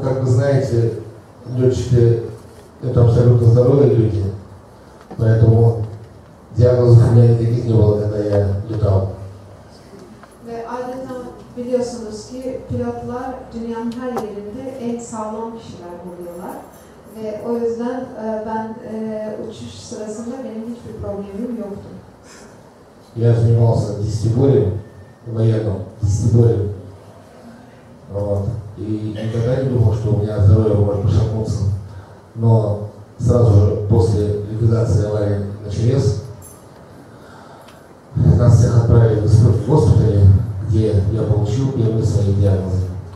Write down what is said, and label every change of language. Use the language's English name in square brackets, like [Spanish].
[Russian] как вы знаете, летчики это абсолютно здоровые люди, поэтому диагнозов у меня никаких не было, когда я летал. [Turkish] Ve adeta biliyorsunuz ki pilotlar dünyanın her yerinde en sağlam kişiler buluyorlar. Ve o yüzden ben uçuş sırasında benim hiçbir problemim yoktu. [Russian] Я занимался дистиборием, военным дистиборием. Вот. И никогда не думал, что у меня здоровье может пошатнуться. Но сразу же после ликвидации аварии на ЧАЭС нас всех отправили в госпитале, где я получил первые свои диагнозы.